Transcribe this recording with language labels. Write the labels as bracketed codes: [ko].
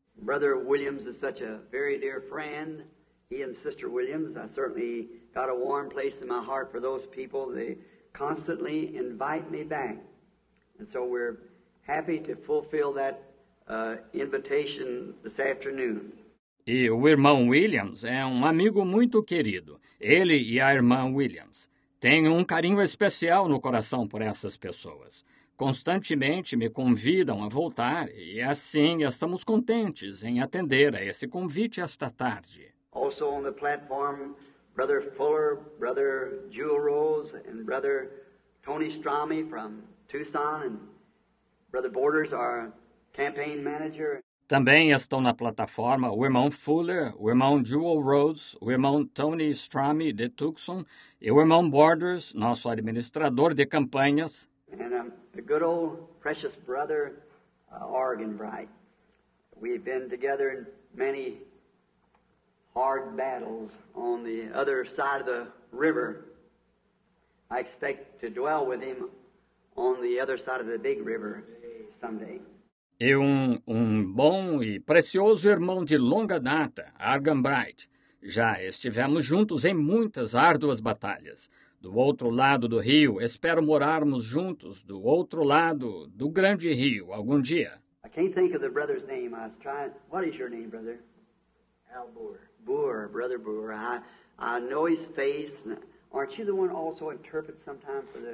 [en] Brother Williams is such a very dear friend he and Sister Williams. I certainly got a warm place in my heart for those people. They constantly invite me back. And so we're happy to fulfill that invitation this afternoon. [pt] E o irmão Williams é um amigo muito querido. Ele e a irmã Williams têm um carinho especial no coração por essas pessoas. Constantemente me convidam a voltar e assim estamos contentes em atender a esse convite esta tarde. [en] Also on the platform, Brother Fuller, Brother Jewel Rose and Brother Tony Strami from Tucson and Brother Borders, our campaign manager. [pt] Também estão na plataforma o irmão Fuller, o irmão Jewel Rose, o irmão Tony Strami de Tucson e o irmão Borders, nosso administrador de campanhas. [en] And a good old precious brother, Oregon Bright. We've been together in many hard battles on the other side of the river. I expect to dwell with him on the other side of the big river someday. [pt] E um bom e precioso irmão de longa data, Argan Bright. Já estivemos juntos em muitas árduas batalhas. Do outro lado do rio, espero morarmos juntos do outro lado do grande rio algum dia. [en] I can't think of the brother's name. I was trying. What is your name, brother? Al Boor. Boor, brother Boor. I know his face. Aren't you the one also interprets sometimes for the